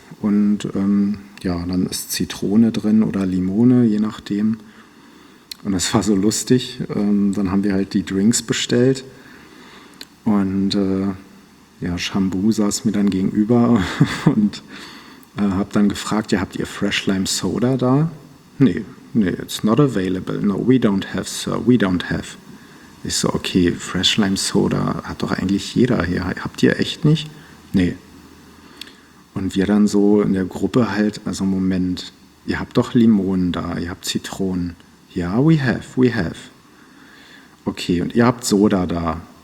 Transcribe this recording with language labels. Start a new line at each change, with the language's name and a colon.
German: Und dann ist Zitrone drin oder Limone, je nachdem. Und das war so lustig. Dann haben wir halt die Drinks bestellt. Und Shambu saß mir dann gegenüber und habe dann gefragt, ja, habt ihr Fresh Lime Soda da?
English: Nee, it's not available. No, we don't have, sir, we don't have.
German: Ich so, okay, Fresh Lime Soda hat doch eigentlich jeder hier. Habt ihr echt nicht? Nee. Und wir dann so in der Gruppe halt, also Moment, ihr habt doch Limonen da, ihr habt Zitronen. Ja,
English: we have.
German: Okay, und ihr habt Soda da.